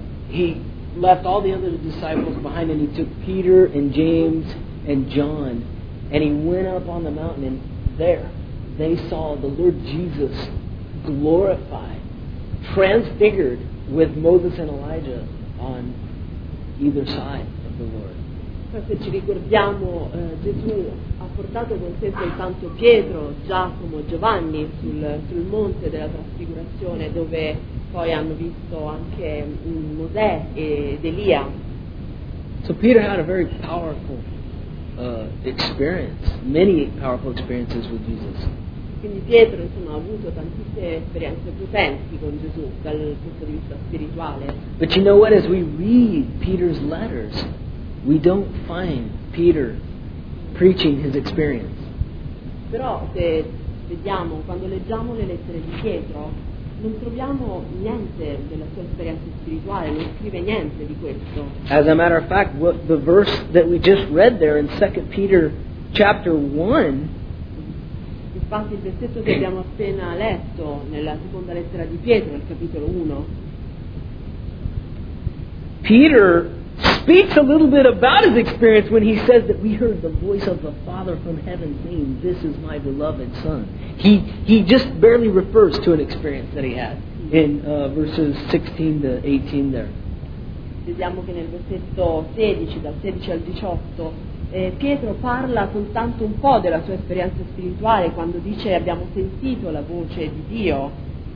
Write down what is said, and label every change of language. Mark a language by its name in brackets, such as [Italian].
[English] He left all the other disciples behind and he took Peter and James and John. And he went up on the mountain, and there they saw the Lord Jesus glorified, transfigured with Moses and Elijah on either side of the Lord. [Italian] Se ci ricordiamo, Gesù ha portato con sé soltanto Pietro, Giacomo, Giovanni sul monte della trasfigurazione, dove poi hanno visto anche Mosè ed Elia. [English] So Peter had a very powerful experience, many powerful experiences with Jesus. [Italian] Quindi Pietro, insomma, ha avuto tantissime esperienze potenti con Gesù dal punto di vista spirituale. [English] But you know what? As we read Peter's letters, we don't find Peter preaching his experience. [Italian] Però se vediamo, quando leggiamo le lettere di Pietro, non troviamo niente della sua esperienza spirituale, non scrive niente di questo. [English] As a matter of fact, what the verse that we just read there in 2 Peter chapter 1, [Italian] in infatti il versetto che abbiamo appena letto nella seconda lettera di Pietro, nel capitolo 1. [English] Peter speaks a little bit about his experience when he says that we heard the voice of the Father from heaven saying, "This is my beloved Son." He just barely refers to an experience that he had in verses 16 to 18 there. [Italian] Vediamo che nel versetto 16, dal 16 al 18, Pietro parla soltanto un po' della sua esperienza spirituale quando dice abbiamo sentito la voce di Dio.